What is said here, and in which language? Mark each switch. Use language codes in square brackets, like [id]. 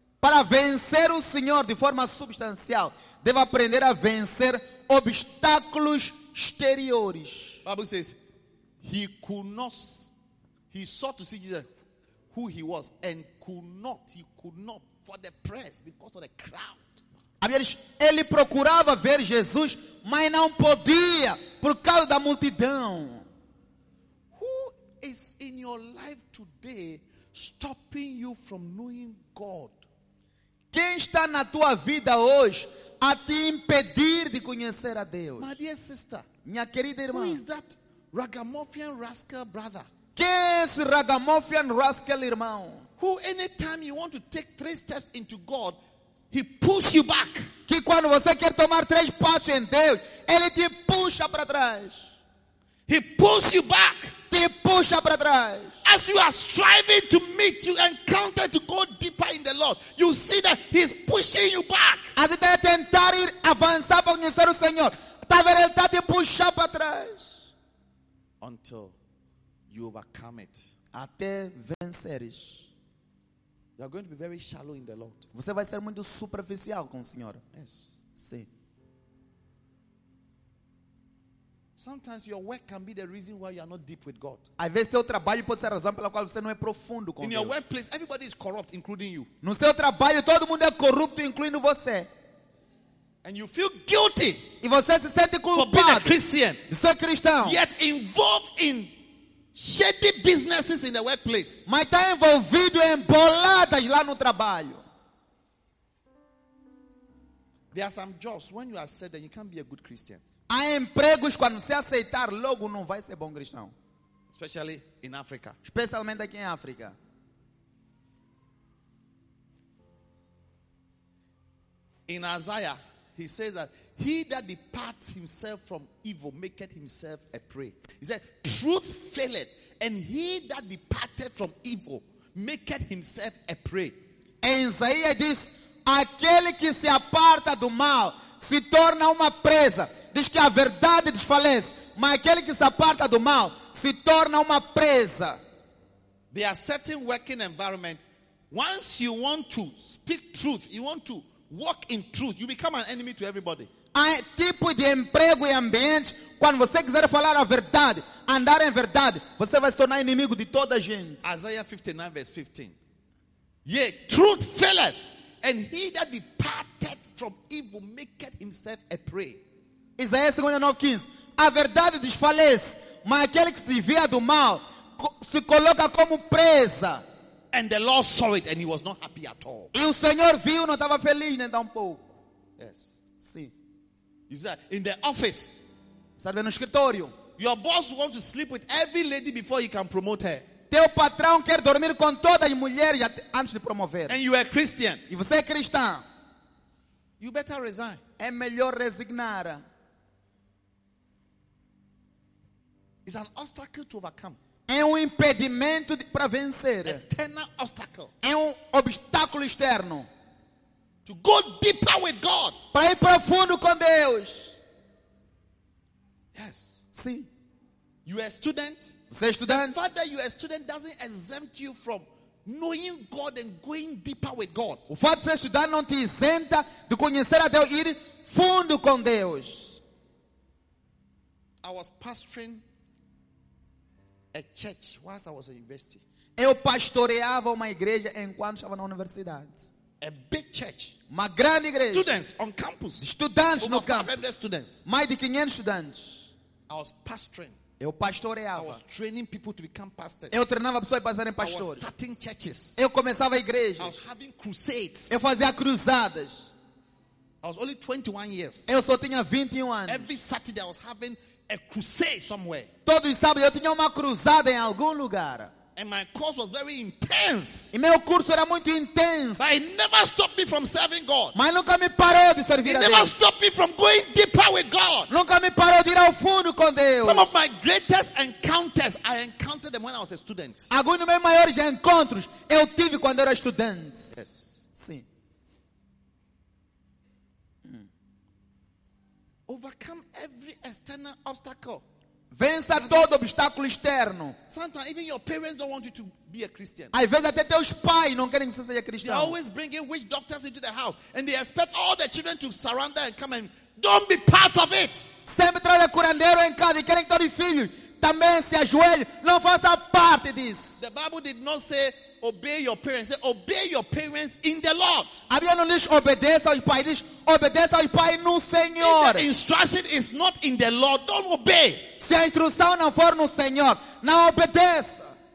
[pt] Para vencer o Senhor de forma substancial, deve aprender a vencer obstáculos exteriores. [en] Bible says, he could not, he sought to see Jesus, who he was, and could not, for the press, because of the crowd. [pt] Ele procurava ver Jesus, mas não podia, por causa da multidão. [en] Who is in your life today, stopping you from knowing God? [pt] Quem está na tua vida hoje a te impedir de conhecer a Deus? [en] My dear sister, [pt] minha querida irmã, [en] who is that ragamuffin rascal brother? [pt] Quem é esse [en] ragamuffin rascal [pt] irmão? [en] Who anytime you want to take 3 steps into God, he pulls you back. [pt] Que quando você quer tomar 3 passos em Deus, ele te puxa para trás. [en] He pulls you back. [pt] Te puxa para trás. [en] As you are striving to meet, you encounter to go deeper in the Lord, you see that He's pushing you back. [pt] As você tentar ir avançar para conhecer o Senhor, talvez ele está te puxando para trás. [en] Until you overcome it. [pt] Até venceres. [en] You are going to be very shallow in the Lord. [pt] Você vai ser muito superficial com o Senhor. [en] Yes. [pt] Sim. [en] Sometimes your work can be the reason why you are not deep with God. [pt] Às vezes seu trabalho pode ser a razão pela qual você não é profundo com [en] In [pt] Deus. [en] Your workplace, everybody is corrupt, including you. [pt] No seu trabalho, todo mundo é corrupto, incluindo você. [en] And you feel guilty. [pt] E você se sente culpado. [en] For being a Christian. [pt] Sou cristão. [en] Yet involved in shady businesses in the workplace. [pt] Mas está envolvido em boladas lá no trabalho. [en] There are some jobs when you are said that you can't be a good Christian. [pt] Há empregos quando você aceitar, logo não vai ser bom cristão. [en] Especially in Africa. [pt] Especialmente aqui em África. [en] In Isaiah, he says that he that departs himself from evil maketh himself a prey. He said, truth faileth, and he that departed from evil maketh himself a prey. [pt] Em Isaías diz, aquele que se aparta do mal se torna uma presa. Diz que a verdade desfalece, mas aquele que se aparta do mal se torna uma presa. [en] There are certain working environment. Once you want to speak truth, you want to walk in truth, you become an enemy to everybody. [pt] Há tipo de emprego e ambiente, quando você quiser falar a verdade, andar em verdade, você vai se tornar inimigo de toda a gente. [en] Isaiah 59 verse 15. Yea, truth faileth, and he that departed from evil maketh himself a prey. [pt] Isaías 59:15. A verdade desfalece, mas aquele que desvia do mal se coloca como presa. [en] And the Lord saw it and he was not happy at all. [pt] E o Senhor viu, não estava feliz nem tampouco. [en] Yes. [pt] Sim. [en] You said in the office. [pt] Está vendo no escritório. [en] Your boss wants to sleep with every lady before he can promote her. [pt] Teu patrão quer dormir com todas as mulheres antes de promover. [en] And you are Christian. [pt] E você é cristão. [en] You better resign. [pt] É melhor resignar. [en] It's an obstacle to overcome. [pt] É impedimento para vencer. [en] External obstacle. [pt] É obstáculo externo. [en] To go deeper with God. [pt] Para ir profundo com Deus. [en] Yes. [pt] Sim. [en] You are a student. [pt] Você é estudante. [en] The fact that you are a student doesn't exempt you from knowing God and going deeper with God. [pt] O fato de ser estudante não te isenta de conhecer a Deus e ir fundo com Deus. [en] I was pastoring a church whilst I was in university. [pt] Eu pastoreava uma igreja enquanto estava na universidade. [en] A big church. [pt] Uma grande igreja. [en] Students on campus. [pt] Estudantes no campus. [en] Over 500 students. [pt] Mais de 500 estudantes. [en] I was pastoring. [pt] Eu pastoreava. [en] I was training people to become pastors. [pt] Eu treinava pessoas para serem pastores. [en] I was starting churches. [pt] Eu começava igrejas. [en] I was having crusades. [pt] Eu fazia cruzadas. [en] I was only 21 years. [pt] Eu só tinha 21 anos. [en] Every Saturday I was having a crusade somewhere. [pt] Todos os sábados eu tinha uma cruzada em algum lugar. [en] And my course was very intense. [pt] E meu curso era muito intenso. [en] But it never stopped me from serving God. [pt] Mas nunca me parou de servir [en] it [pt] a Deus. [en] It never stopped me from going deeper with God. [pt] Nunca me parou de ir ao fundo com Deus. [en] Some of my greatest encounters, I encountered them when I was a student. [pt] Alguns dos meus maiores encontros eu tive quando era estudante. [en] Yes. [pt] Sim. [en] Overcome every external obstacle. [pt] Vença todo obstáculo externo. [en] Sometimes even your parents don't want you to be a Christian. [pt] Às vezes até teus pais não querem que você seja cristão. [en] They're always bringing witch doctors into the house, and they expect all the children to surrender and come and don't be part of it. [pt] Sempre traz curandeiro em casa e querem que todos os filhos também se ajoelhem. Não faça parte disso. [en] The Bible did not say obey your parents. Say, obey your parents in the Lord. [pt] A Bíblia não diz obedeça aos pais. Diz obedeça aos pais no Senhor. [en] If the instruction is not in the Lord, don't obey. [pt] Se a instrução não for no Senhor, não obedeça.